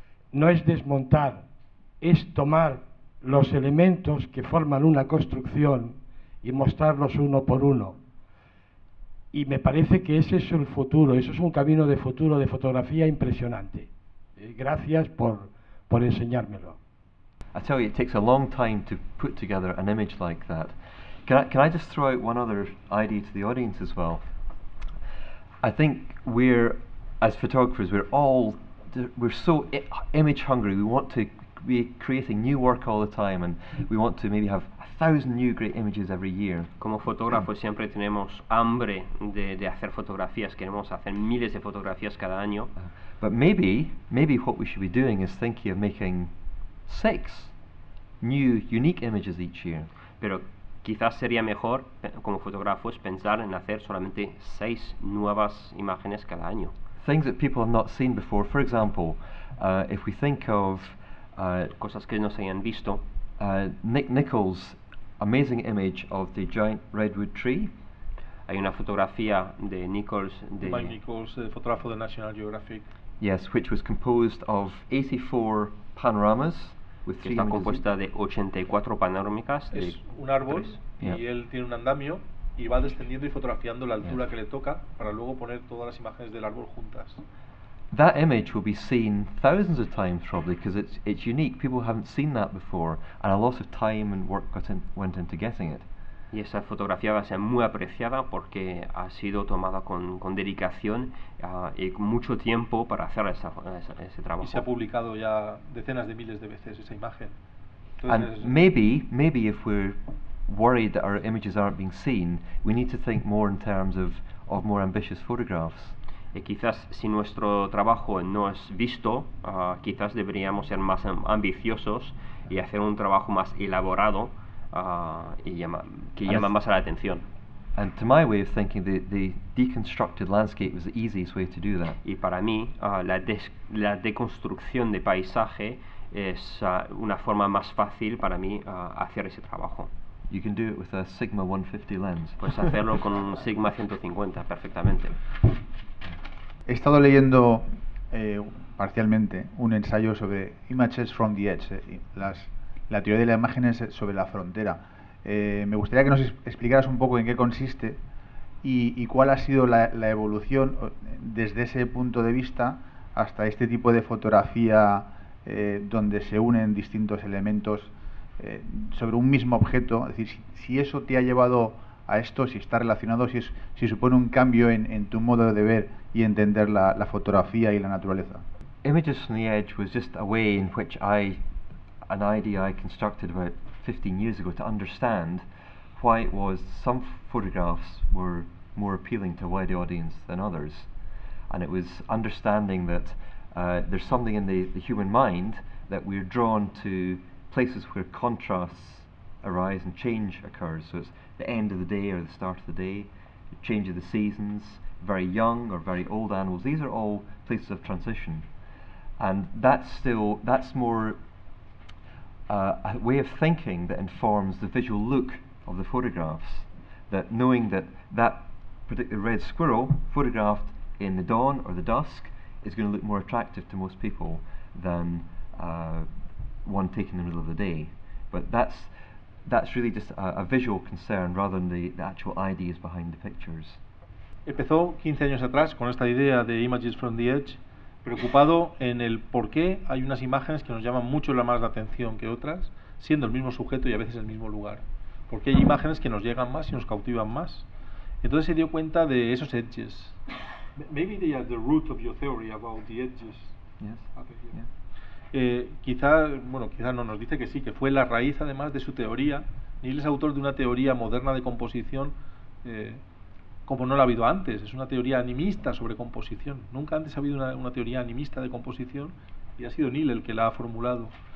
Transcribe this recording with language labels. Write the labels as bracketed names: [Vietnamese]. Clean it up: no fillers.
[Spanish] No es desmontar, es tomar los elementos que forman una construcción y mostrarlos uno por uno. Y me parece que ese es el futuro, eso es un camino de futuro de fotografía impresionante. Gracias por enseñármelo. [English] I tell you, it takes a long time to put together an image like that. Can I just throw out one other idea to the audience as well? I think we're, as photographers, we're so image hungry. We want to be creating new work all the time and we want to maybe have 1,000 new great images every year. [Spanish] Como fotógrafo siempre tenemos hambre de hacer fotografías, queremos hacer miles de fotografías cada año. [English] But maybe what we should be doing is thinking of making 6 new unique images each year. [Spanish] Pero quizás sería mejor como fotógrafos pensar en hacer solamente 6 nuevas imágenes cada año. [English] Things that people have not seen before. For example, if we think of [Spanish] cosas que no se hayan visto. [English] Nick Nichols' amazing image of the giant redwood tree. [Spanish] Hay una fotografía de Nichols de Mike Nichols, el fotógrafo de National Geographic. [English] Yes, which was composed of 84 panoramas with [Spanish] que está compuesta de 84 panorámicas. Es un árbol tres. Y yeah. Él tiene un andamio y va descendiendo y fotografiando la altura yeah. que le toca para luego poner todas las imágenes del árbol juntas. [English] That image will be seen thousands of times probably because it's unique. People haven't seen that before and a lot of time and work went into getting it. [Spanish] Y esa fotografía va a ser muy apreciada porque ha sido tomada con dedicación y mucho tiempo para hacer ese trabajo. Y se ha publicado ya decenas de miles de veces esa imagen. Entonces [English] and maybe if we're worried that our images aren't being seen, we need to think more in terms of more ambitious photographs. [Spanish] Y quizás si nuestro trabajo no es visto, quizás deberíamos ser más ambiciosos y hacer un trabajo más elaborado que llama más a la atención. [English] And to my way of thinking, the deconstructed landscape is the easiest way to do that. [Spanish] Y para mí, la deconstrucción de paisaje es una forma más fácil para mí hacer ese trabajo. [English] You can do it with a Sigma 150 lens. [Spanish] Puedes hacerlo con un Sigma 150 perfectamente. He estado leyendo parcialmente un ensayo sobre Images from the Edge, la teoría de las imágenes sobre la frontera. Me gustaría que nos explicaras un poco en qué consiste y cuál ha sido la evolución desde ese punto de vista hasta este tipo de fotografía donde se unen distintos elementos sobre un mismo objeto. Es decir, si eso te ha llevado a esto, si está relacionado, si supone un cambio en tu modo de ver y entender la fotografía y la naturaleza. [English] Images on the Edge was just a way in which an idea I constructed about 15 years ago to understand why it was some photographs were more appealing to a wide audience than others. And it was understanding that there's something in the human mind that we're drawn to places where contrasts arise and change occurs. So it's the end of the day or the start of the day, the change of the seasons, very young or very old animals. These are all places of transition. And that's more a way of thinking that informs the visual look of the photographs. That knowing that particular red squirrel photographed in the dawn or the dusk is going to look more attractive to most people than one taken in the middle of the day. But that's really just a visual concern rather than the actual ideas behind the pictures. [Spanish] Empezó 15 años atrás con esta idea de Images from the Edge, preocupado en el por qué hay unas imágenes que nos llaman mucho más la atención que otras, siendo el mismo sujeto y a veces el mismo lugar. ¿Por qué hay imágenes que nos llegan más y nos cautivan más? Entonces se dio cuenta de esos edges. [English] Maybe they are the root of your theory about the edges. Yes. [Spanish] Quizá no, nos dice que sí, que fue la raíz además de su teoría. Niall es autor de una teoría moderna de composición como no la ha habido antes. Es una teoría animista sobre composición. Nunca antes ha habido una teoría animista de composición y ha sido Niall el que la ha formulado.